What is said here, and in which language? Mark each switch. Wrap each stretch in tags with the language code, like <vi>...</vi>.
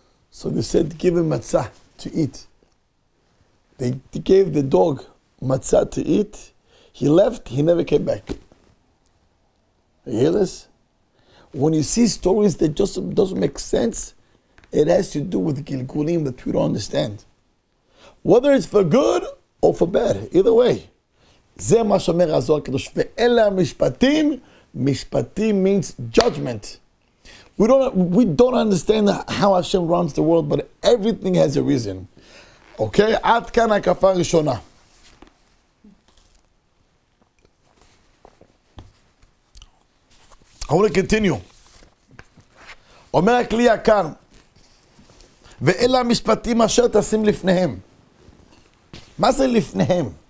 <en>So they said, give him matzah to eat. They gave the dog matzah to eat. He left, he never came back. You hear this? When you see stories that just doesn't make sense, it has to do with Gilgulim that we don't understand. Whether it's for good or for bad, either way.</en> <he>זה מה שאומר הזוהר הקדוש, ואלה המשפטים, משפטים</he> <en>means judgment. We don't understand how Hashem runs the world, but everything has a reason.</en> <he>Okay, עד כאן הקפה הראשונה.</he> <en>I want to continue.</en> <he>אומר הכלי יקר, ואלה המשפטים אשר תשים לפניהם. מה זה לפניהם?</he>